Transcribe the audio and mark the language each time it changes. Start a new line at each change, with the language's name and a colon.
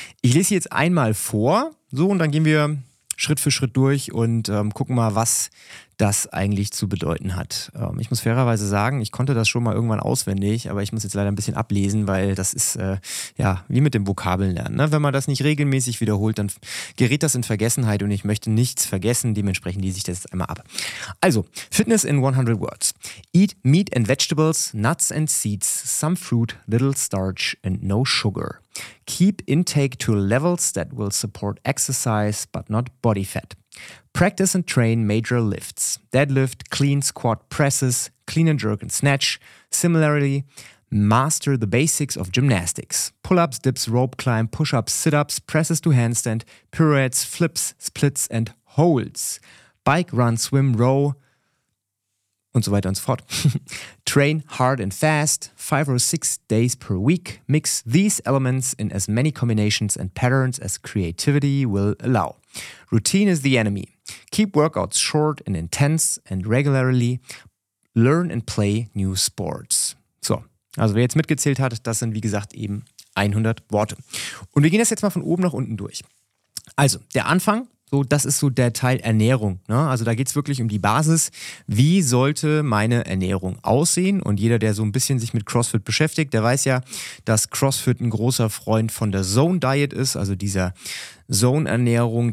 German: Ich lese jetzt einmal vor, so, und dann gehen wir Schritt für Schritt durch und gucken mal, was das eigentlich zu bedeuten hat. Ich muss fairerweise sagen, ich konnte das schon mal irgendwann auswendig, aber ich muss jetzt leider ein bisschen ablesen, weil das ist ja wie mit dem Vokabellernen. Ne? Wenn man das nicht regelmäßig wiederholt, dann gerät das in Vergessenheit und ich möchte nichts vergessen, dementsprechend lese ich das jetzt einmal ab.
English: Also, Fitness in 100 Words. Eat meat and vegetables, nuts and seeds, some fruit, little starch and no sugar. Keep intake to levels that will support exercise but not body fat. Practice and train major lifts. Deadlift, clean squat presses, clean and jerk and snatch. Similarly, master the basics of gymnastics. Pull-ups, dips, rope climb, push-ups, sit-ups, presses to handstand, pirouettes, flips, splits and holds. Bike, run, swim, row
German: und so weiter und so fort.
English: Train hard and fast, 5 or 6 days per week. Mix these elements in as many combinations and patterns as creativity will allow. Routine is the enemy. Keep workouts short and intense and regularly learn and play new sports.
German: So, also wer jetzt mitgezählt hat, das sind wie gesagt eben 100 Worte. Und wir gehen das jetzt mal von oben nach unten durch. Also, der Anfang, so, das ist so der Teil Ernährung, ne? Also da geht es wirklich um die Basis, wie sollte meine Ernährung aussehen? Und jeder, der so ein bisschen sich mit CrossFit beschäftigt, der weiß ja, dass CrossFit ein großer Freund von der Zone Diet ist, also dieser Zone-Ernährung.